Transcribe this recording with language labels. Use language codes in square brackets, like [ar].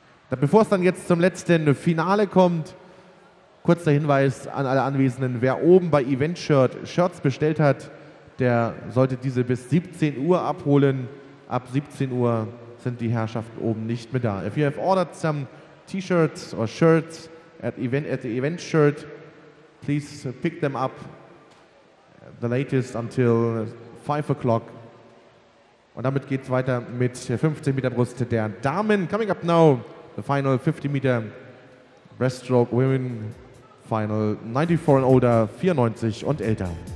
[de] Bevor es dann jetzt zum letzten Finale kommt, kurzer Hinweis an alle Anwesenden, wer oben bei Eventshirt Shirts bestellt hat, der sollte diese bis 17 Uhr abholen. Ab 17 Uhr sind die Herrschaften oben nicht mehr da. [en] If you have ordered some T-Shirts or Shirts at the event shirt, please pick them up the latest until 5 o'clock. [de] Und damit geht es weiter mit 15 Meter Brust der Damen. [en] Coming up now, the final 50 Meter Breaststroke Women Final 94 and older, 94 und älter.